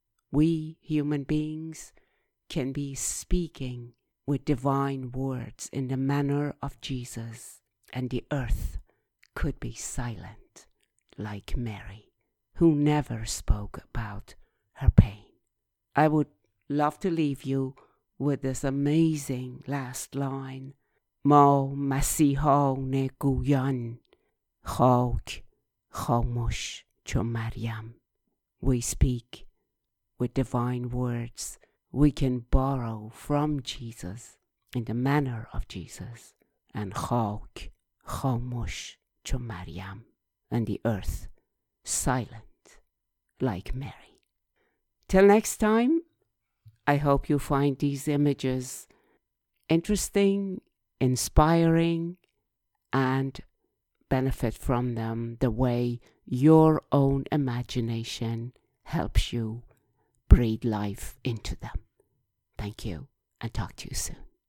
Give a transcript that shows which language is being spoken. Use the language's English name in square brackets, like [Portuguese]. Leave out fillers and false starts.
[English] We human beings can be speaking with divine words in the manner of Jesus, and the earth could be silent like Mary, who never spoke about her pain. I would love to leave you with this amazing last line. [Persian] ما مسیحان گویان خاک خاموش چو مریم. [English] We speak with divine words. We can borrow from Jesus in the manner of Jesus. And [Persian] خاک خاموش چو مریم. [English] And the earth silent like Mary. Till next time, I hope you find these images interesting, inspiring, and benefit from them the way your own imagination helps you breathe life into them. Thank you, and talk to you soon.